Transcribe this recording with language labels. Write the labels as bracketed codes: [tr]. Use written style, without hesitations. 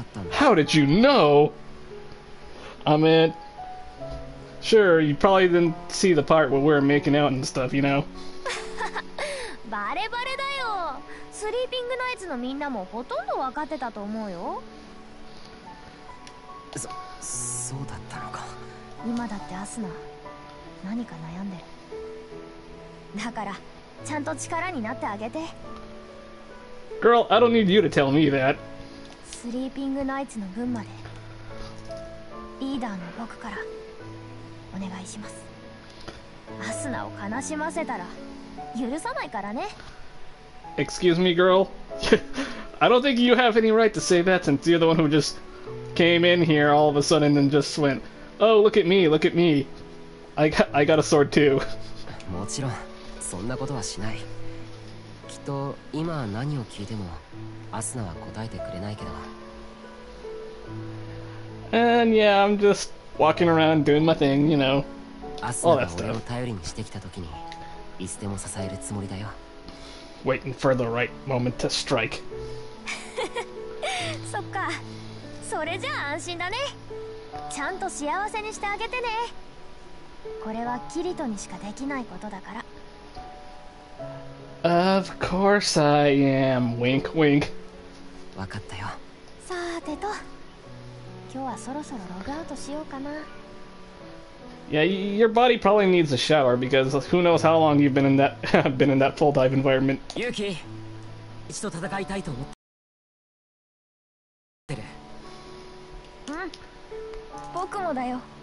[en] How did you know? I mean, sure, you probably didn't see the part where we're making out and stuff, you know? [ja] バレバレだよ。スリーピングナイツのみんなもほとんど分かってたと思うよ。そうだったのか。今だってアスナ何か悩んでる。だからちゃんと力になってあげて。 [en] Girl, I don't need you to tell me that. [ja] スリーピングナイツの分までリーダーの僕からお願いします。アスナを悲しませたら。許さないからね。 [en] Excuse me, girl. I don't think you have any right to say that since you're the one who just came in here all of a sudden and just went, oh, look at me, look at me. I got a sword too. [ja] もちろん、そんなことはしない。きっと今は何を聞いてもアスナは答えてくれないけど。 [en] And yeah, I'm just walking around doing my thing, you know. [ja] アスナが俺を頼りにしてきたときに。いつでも支えるつもりだよ。 [en] Waiting for the right moment to strike. [ja] そっか。それじゃあ安心だね。ちゃんと幸せにしてあげてね。これはキリトにしかできないことだから。 [en] Of course I am. Wink, wink. [ja] わかったよ。さてと、今日はそろそろログアウトしようかな。 [en] Yeah, your body probably needs a shower because who knows how long you've been in that full dive environment. Yuki, I want to fight once again. Yeah, me too.